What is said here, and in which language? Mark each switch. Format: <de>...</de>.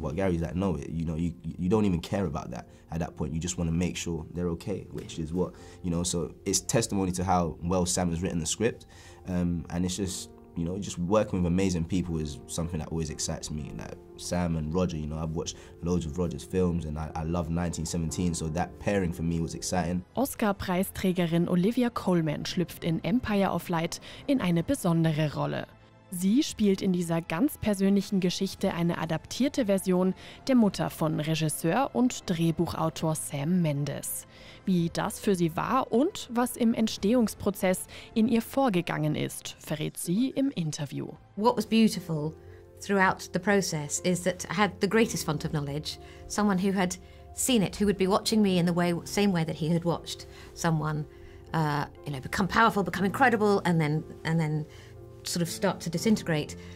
<en>But Gary's like, no, you know, you don't even care about that at that point. You just want to make sure they're okay, which is what, you know. So it's testimony to how well Sam has written the script, and it's just, you know, just working with amazing people is something that always excites me. Like Sam and Roger, you know, I've watched loads of Roger's films, and I love 1917, so that pairing for me was exciting.</en> <de>Oscar-Preisträgerin Olivia Colman schlüpft in Empire of Light in eine besondere Rolle. Sie spielt in dieser ganz persönlichen Geschichte eine adaptierte Version der Mutter von Regisseur und Drehbuchautor Sam Mendes. Wie das für sie war und was im Entstehungsprozess in ihr vorgegangen ist, verrät sie im Interview.</de> <en>What was beautiful throughout the process is that I had the greatest font of knowledge, someone who had seen it, who would be watching me in the way, same way that he had watched someone, you know, become powerful, become incredible, and then sort of start to disintegrate.</en>